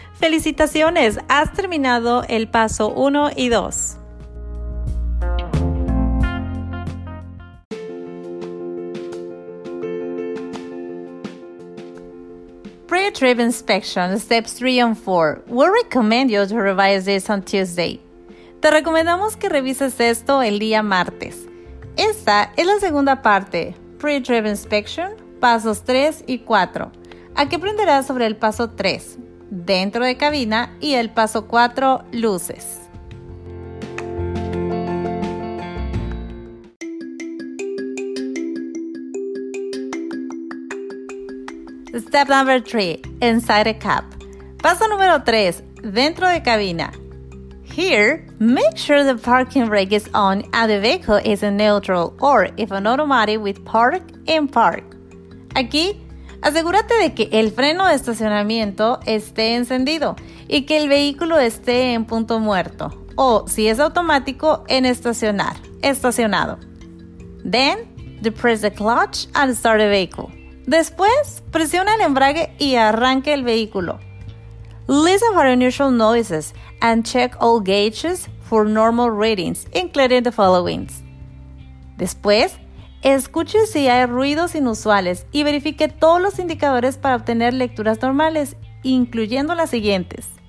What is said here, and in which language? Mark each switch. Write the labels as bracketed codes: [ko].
[es] Felicitaciones, has terminado el paso 1 y 2. [en] Pre-trip inspection, steps 3 and 4. We recommend you to revise this on Tuesday. [es] Te recomendamos que revises esto el día martes. Esta es la segunda parte, pre-trip inspection. Pasos 3 y 4. Aquí aprenderás sobre el paso 3, dentro de cabina, y el paso 4, luces. [en] Step number 3, inside a cab. [es] Paso número 3, dentro de cabina. [en] Here, make sure the parking brake is on and the vehicle is in neutral or if an automatic with park in park. [es] Aquí, asegúrate de que el freno de estacionamiento esté encendido y que el vehículo esté en punto muerto o, si es automático, en estacionado. [en] Then, depress the clutch and start the vehicle. [es] Después, presiona el embrague y arranque el vehículo. [en] Listen for unusual noises and check all gauges for normal readings, including the following. [es] Después, escuche si hay ruidos inusuales y verifique todos los indicadores para obtener lecturas normales, incluyendo las siguientes.